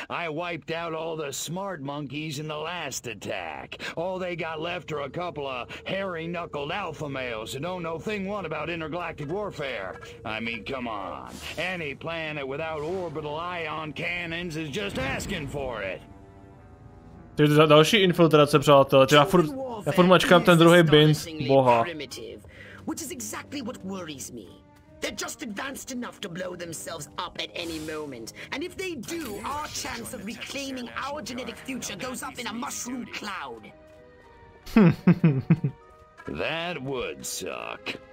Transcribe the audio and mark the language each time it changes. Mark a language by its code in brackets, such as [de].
[en] I wiped out all the smart monkeys in the last attack. All they got left are a couple of hairy-knuckled alpha males who don't know thing one about intergalactic warfare. I mean, come on. Any planet without orbital ion cannons is just asking for it. [cs] Tyhle to je další infiltrace, přátelé. Já furt mačkám ten druhý Binz, boha. [en] Which is exactly what worries me. They're just advanced enough to blow themselves up at any moment. And if they do, our chance of reclaiming our genetic future goes up in a mushroom cloud. That would suck.